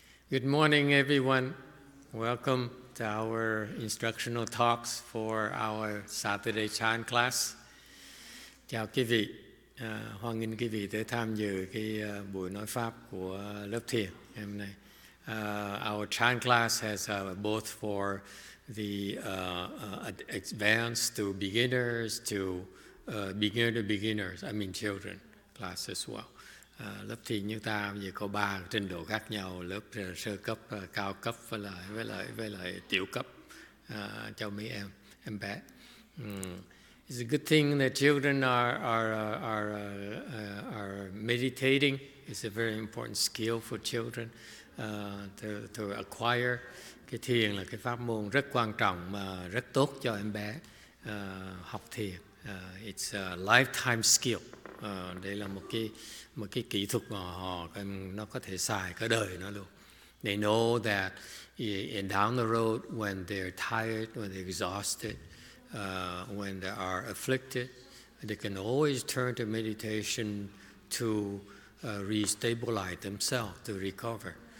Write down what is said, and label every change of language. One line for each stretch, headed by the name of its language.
English: Good morning, everyone. Welcome to our instructional talks for our Saturday Chan class.
Vietnamese: Chào quý vị, hoan nghênh quý vị tới tham dự buổi nói pháp của lớp thiền hôm nay.
English: Our Chan class has both for the advanced to beginners to beginner to beginners. I mean children class as well.
Vietnamese: Lớp thiền như ta giờ có ba trình độ khác nhau: lớp sơ cấp, cao cấp với lại tiểu cấp cho mấy em bé.
English: It's a good thing that children are meditating. It's a very important skill for children to acquire.
Vietnamese: Cái thiền là cái pháp môn rất quan trọng mà rất tốt cho em bé học thiền.
English: It's a lifetime skill.
Vietnamese: Đây là một cái kỹ thuật mà nó có thể xài cả đời nó luôn.
English: They know that in down the road when they're tired, when they're exhausted, when they are afflicted, they can always turn to meditation to re-stabilize themselves, to recover.